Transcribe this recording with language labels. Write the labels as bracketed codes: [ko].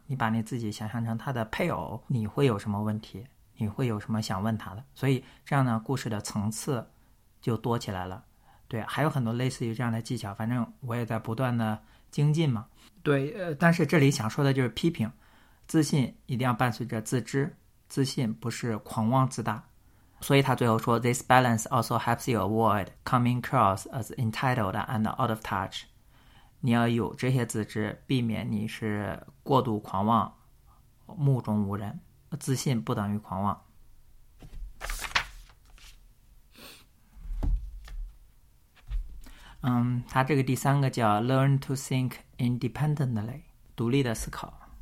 [zh] 你把你自己想象成他的配偶，你会有什么问题，你会有什么想问他的，所以这样呢故事的层次就多起来了。对，还有很多类似于这样的技巧，反正我也在不断的精进嘛。对，但是这里想说的就是批评，自信一定要伴随着自知，自信不是狂妄自大。所以他最后说 [en] This balance also helps you avoid coming across as entitled and out of touch. [zh] 你要有这些自知，避免你是过度狂妄，目中无人。自信不等于狂妄。他这个第三个叫 [en] learn to think independently， [zh] 独立的思考。